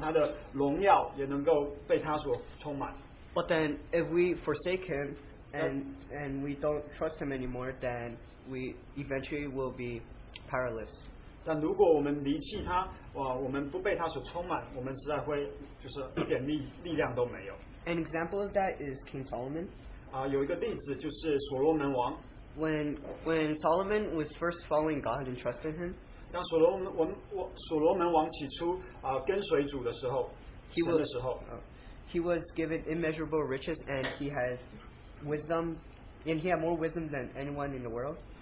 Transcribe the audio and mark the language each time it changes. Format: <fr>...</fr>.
<zh>这就说到说我们如果是被基督所充满的话我们就能够尝异常他的荣耀也能够被他所充满。</zh> <en>But then if we forsake him and we don't trust him anymore, then we eventually will be powerless.</en> <zh>但如果我们离弃他我们不被他所充满我们实在会就是一点力量都没有。</zh> <en>An example of that is King Solomon.</en> <zh>有一个例子就是所罗门王。</zh> <en>When Solomon was first following God and trusting him,</en> <zh>当所罗门王起初跟随主的时候,</zh> <en>he was given immeasurable riches and he had wisdom, and he had more wisdom than anyone in the world.</en>